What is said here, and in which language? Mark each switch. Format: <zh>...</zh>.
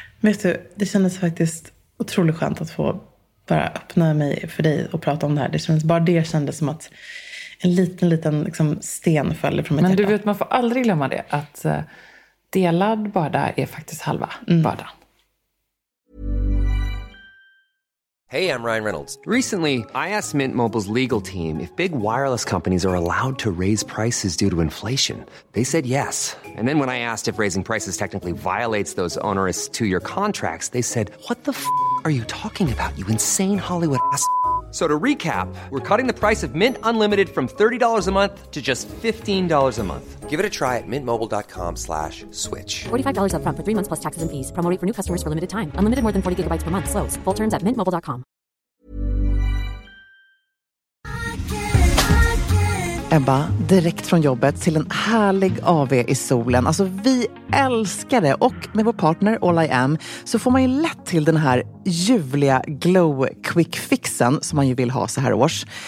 <sv>Men vet du, det kändes faktiskt otroligt skönt att få bara öppna mig för dig och prata om det här. Det kändes som att en liten liksom sten föll från mitt hjärta. Men du vet, man får aldrig glömma det, att delad börda är faktiskt halva bördan.</sv> <en>Hey, I'm Ryan Reynolds. Recently, I asked Mint Mobile's legal team if big wireless companies are allowed to raise prices due to inflation. They said yes. And then when I asked if raising prices technically violates those onerous two-year contracts, they said, what the f*** are you talking about, you insane Hollywood ass? So to recap, we're cutting the price of Mint Unlimited from $30 a month to just $15 a month. Give it a try at mintmobile.com/switch. $45 up front for 3 months plus taxes and fees. Promo rate for new customers for limited time. Unlimited more than 40 gigabytes per month. Slows full terms at mintmobile.com.</en> <sv>Ebba, direkt från jobbet till en härlig AV i solen. Alltså, vi älskar det. Och med vår partner All I Am så får man ju lätt till den här ljuvliga glow quick fixen som man ju vill ha så här års.</sv>